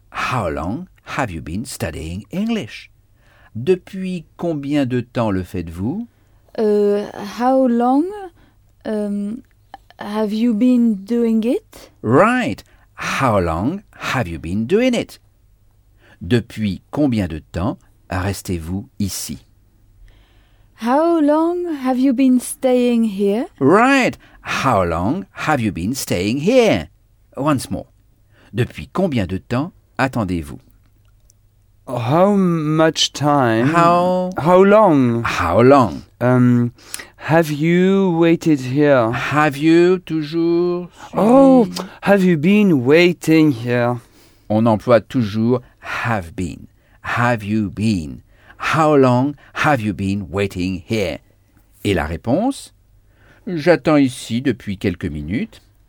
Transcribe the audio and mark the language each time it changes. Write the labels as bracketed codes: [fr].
[en] How long have you been studying English? [fr] Depuis combien de temps le faites-vous? [en] How long have you been doing it? Right. How long have you been doing it? [fr] Depuis combien de temps restez-vous ici? [en] How long have you been staying here? Right. How long have you been staying here? Once more. [fr] Depuis combien de temps attendez-vous? [en] How much time? How long? How long? Have you waited here? Have you toujours? Oh, have you been waiting here? [fr] On emploie toujours [en] have been. Have you been? How long have you been waiting here? [fr] Et la réponse? J'attends ici depuis quelques minutes.